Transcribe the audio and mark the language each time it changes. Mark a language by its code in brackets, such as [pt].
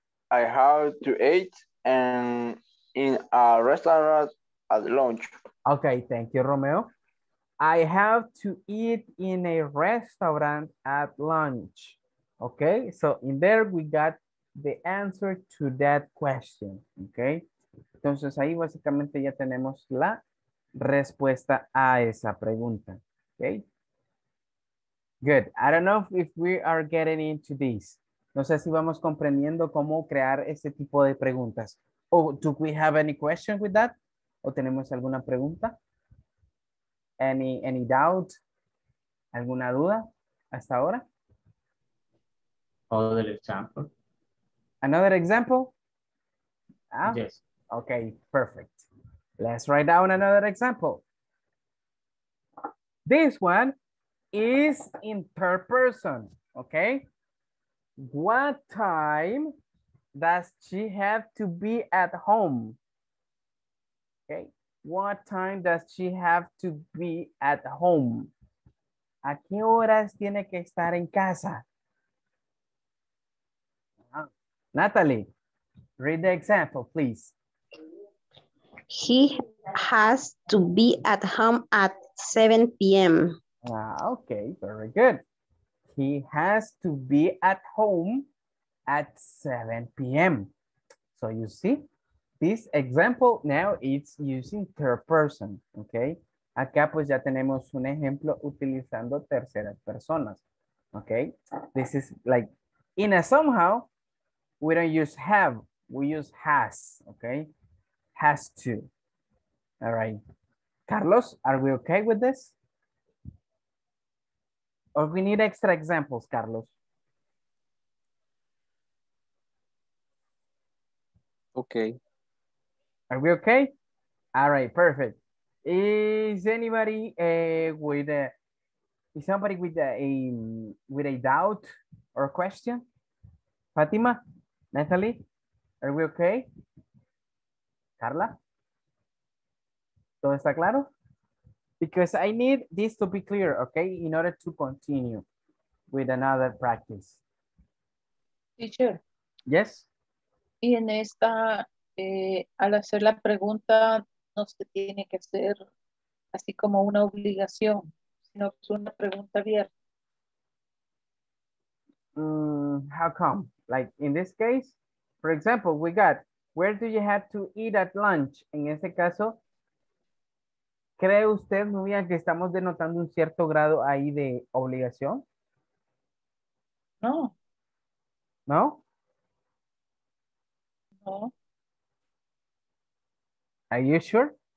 [en] I have to eat and in a restaurant at lunch. Okay, thank you, Romeo. I have to eat in a restaurant at lunch. Okay, so in there we got the answer to that question. [es] Okay, entonces ahí básicamente ya tenemos la respuesta a esa pregunta. [en] Okay, good. I don't know if we are getting into this. [es] No sé si vamos comprendiendo cómo crear este tipo de preguntas. [en] Oh, do we have any question with that? [es] ¿O tenemos alguna pregunta? [en] Any doubt? [es] ¿Alguna duda hasta ahora? [en] Other example. Another example? Ah? Yes. Okay, perfect. Let's write down another example. This one is in third person, okay? What time does she have to be at home? Okay. What time does she have to be at home? [es] ¿A qué horas tiene que estar en casa? [en] Natalie, read the example, please. He has to be at home at 7 p.m. Okay, very good. He has to be at home at 7 p.m. So you see, this example now it's using third person, okay? [es] Acá pues ya tenemos un ejemplo utilizando terceras personas, okay? [en] This is like, in a somehow, we don't use have, we use has, okay? Has to. All right. Carlos, are we okay with this? Or we need extra examples, Carlos? Okay. Are we okay? All right, perfect. Is anybody with a doubt or a question? Fatima, Natalie, are we okay? Carla? [es] ¿Todo está claro? [en] Because I need this to be clear, okay, in order to continue with another practice. Teacher. Yes. [es] Y en esta, al hacer la pregunta, no se tiene que hacer así como una obligación, sino que es una pregunta abierta. [en] How come? Like in this case, for example, we got, where do you have to eat at lunch? [es] En ese caso, ¿cree usted, Nubia, que estamos denotando un cierto grado ahí de obligación? No. ¿No? No. [en] Are you sure?